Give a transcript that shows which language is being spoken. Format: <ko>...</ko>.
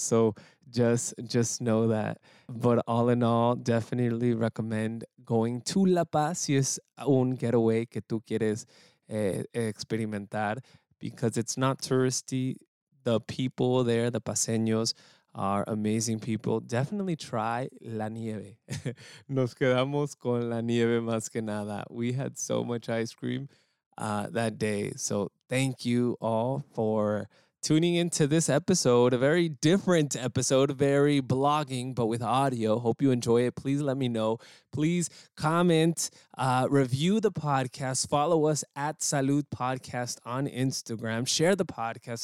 <en>So just know that. But all in all, definitely recommend going to La Paz</en> <es>si es un getaway que tú quieres experimentar,</es> <en>because it's not touristy. The people there, the paseños, are amazing people. Definitely try</en> <es>la nieve. Nos quedamos con la nieve más que nada.</es> <en>We had so much ice cream that day. So thank you all for tuning into this episode, a very different episode, very blogging, but with audio. Hope you enjoy it. Please let me know. Please comment, review the podcast, follow us at Salud Podcast on Instagram, share the podcast.</en>